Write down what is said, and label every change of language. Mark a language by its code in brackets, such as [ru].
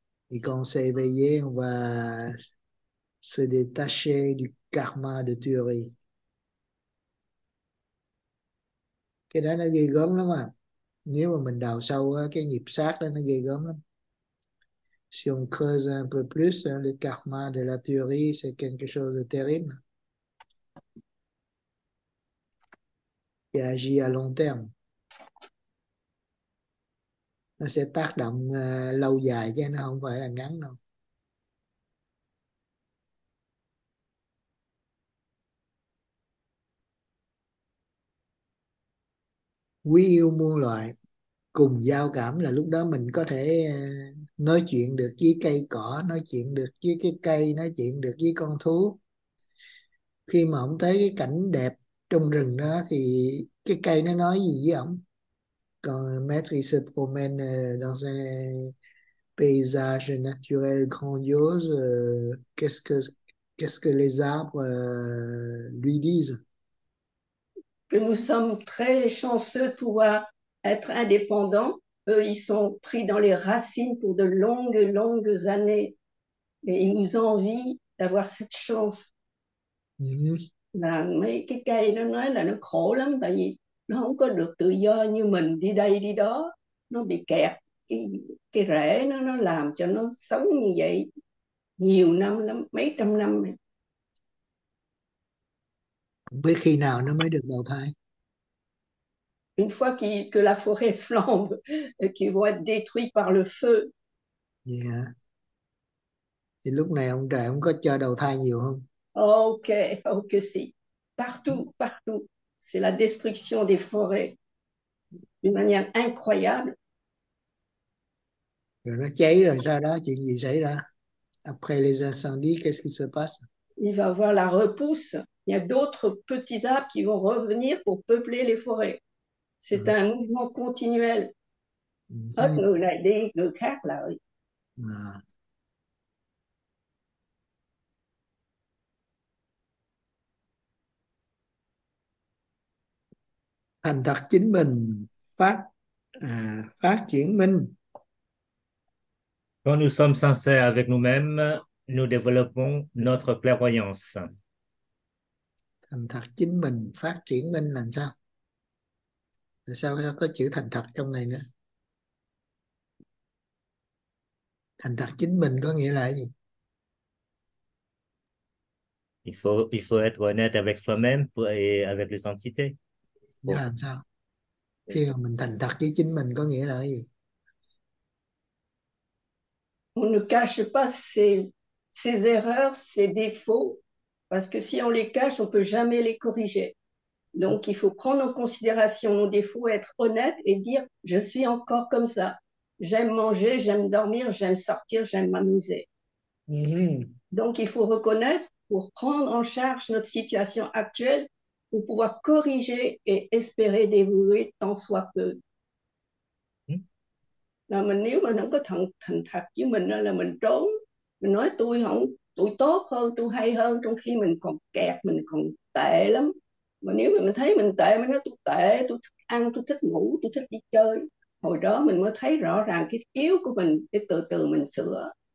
[vi] Thì con sẽ về giới và [fr] se détacher du karma de tuerie. [vi] Cái đó nó ghê gớm lắm à. Nếu mà mình đào sâu á, cái nghiệp sát đó nó ghê gớm lắm. [fr] Si on creuse un peu plus, le karma de la tuerie, c'est quelque chose de terrible. Et agit à long terme. [vi] Nó sẽ tác động lâu dài chứ nó không phải là ngắn đâu. Quý yêu muôn loài cùng giao cảm là lúc đó mình có thể nói chuyện được với cây cỏ, nói chuyện được với cái cây, nói chuyện được với con thú. Khi mà ông thấy cái cảnh đẹp trong rừng đó thì cái cây nó nói gì với ổng? Còn [fr] maître se promène dans un paysage naturel grandiose, qu'est-ce que les arbres Que nous sommes très chanceux de pouvoir être indépendants. Eux, ils sont pris dans les racines pour de longues, longues années. Et ils nous envient d'avoir cette chance. lui disent? [vi] Là, mais cái cây nó nói là nó khổ lắm, tại vì nó không có được tự do như mình đi đây đi đó. Nó bị kẹt, cái rễ nó làm cho nó sống như vậy nhiều năm lắm, mấy trăm năm rồi. Không biết khi nào nó mới được đầu thai. [fr] Une fois que la forêt flambe et qu'ils vont être détruits par le feu. [vi] Thì lúc này ông trời không có cho đầu thai nhiều. [fr] Ok, si. Partout, partout, c'est la destruction des forêts d'une manière incroyable. Nó cháy rồi sao đó, chuyện gì xảy ra? Après les incendies, qu'est-ce qui se passe? Il va avoir la repousse. Il y a d'autres petits arbres qui vont revenir pour peupler les forêts. C'est un mouvement continuel. Hop, là, des cartes là. [vi] Thành thật chính mình phát phát triển mình. [fr] Quand nous sommes sincères avec nous-mêmes, nous développons notre clairvoyance. [vi] Thành thật chính mình phát triển mình là sao? Tại sao có chữ thành thật trong này nữa? Thành thật chính mình có nghĩa là gì? [fr] Il faut être honnête avec soi-même et avec les entités. [vi] Nghĩa là làm sao? Khi mà mình thành thật với chính mình có nghĩa là gì? [fr] On ne cache pas ses erreurs, ses défauts, parce que si on les cache, on ne peut jamais les corriger. Donc, il faut prendre en considération nos défauts, être honnête et dire, je suis encore comme ça. J'aime manger, j'aime dormir, j'aime sortir, j'aime m'amuser. Donc, il faut reconnaître pour prendre en charge notre situation actuelle pour pouvoir corriger et espérer d'évoluer tant soit peu. [vi] Là mình nếu mà không có thành thật với mình là mình trốn, mình nói tôi không, tôi tốt hơn, tôi hay hơn, trong khi mình còn kẹt, mình còn tệ lắm. Mà nếu mà mình thấy mình tệ, mình nói tôi tệ, tôi thích ăn, tôi thích ngủ, tôi thích đi chơi. Hồi đó mình mới thấy rõ ràng cái yếu của mình, cái từ từ mình sửa.